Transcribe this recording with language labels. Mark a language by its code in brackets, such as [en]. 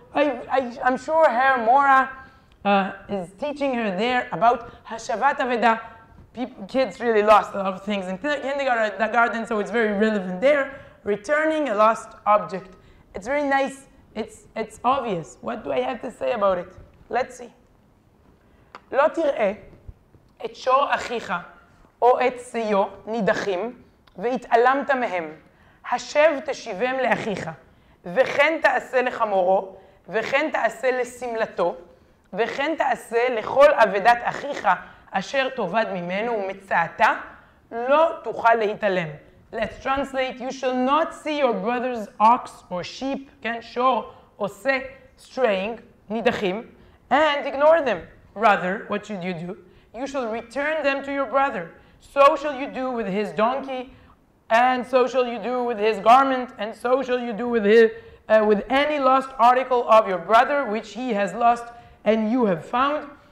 [en] I'm sure her Mora is teaching her there about Hashavat Aveda. Kids really lost a lot of things in kindergarten, so it's very relevant there. Returning a lost object. It's very nice. It's obvious. What do I have to say about it? Let's see. [he] לא תראה את שור אחיך או את סיו נידחים והתעלמת מהם. השב תשיבם לאחיך וכן תעשה לחמורו וכן תעשה לסמלתו וכן תעשה לכל עבדת אחיך אשר תובד ממנו ומצאתה לא תוכל להתעלם. [en] Let's translate. You shall not see your brother's ox or sheep, [he] כן, שור עושה [en] straying, נידחים, and ignore them. Rather, what should you do? You shall return them to your brother. So shall you do with his donkey, and so shall you do with his garment, and so shall you do with his, with any lost article of your brother, which he has lost and you have found.